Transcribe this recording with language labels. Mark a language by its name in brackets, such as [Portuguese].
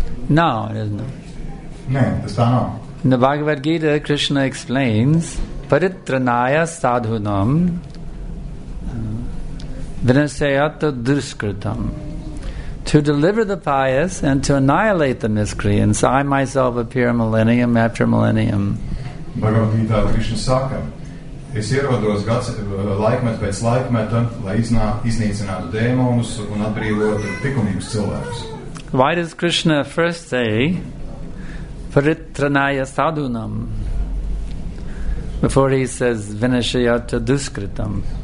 [English] No, it isn't. In the Bhagavad Gita, Krishna explains [Sanskrit] Paritranaya sadhunam vinasayata duskritam. [English] To deliver the pious and to annihilate the miscreants, I myself appear millennium after millennium. [Latvian] Bhagavad Gita Krishna saka, es ierodos laikmet pēc laikmeta, lai iznīcinātu dēmonus un atbrīvotu tikumīgus cilvēkus. [English] Why does Krishna first say [Sanskrit] Paritranaya sadhunam [English] before he says [Sanskrit] vinashayata duskritam?